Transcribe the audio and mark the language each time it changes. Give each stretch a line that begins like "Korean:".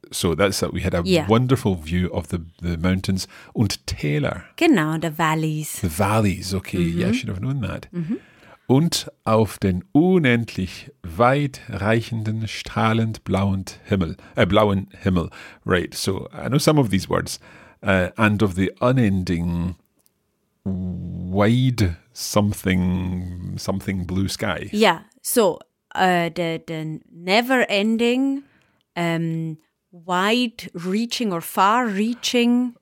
English: So that's that we had a wonderful view of the mountains
German: und Täler.
English: Genau, the valleys. The valleys, okay, yeah, I should have known that.
German: Und auf den unendlich weit reichenden, strahlend blauen Himmel. Blauen Himmel,
English: right, so I know some of these words. And of the unending wide something blue sky. Yeah, so the never-ending, wide-reaching or far-reaching.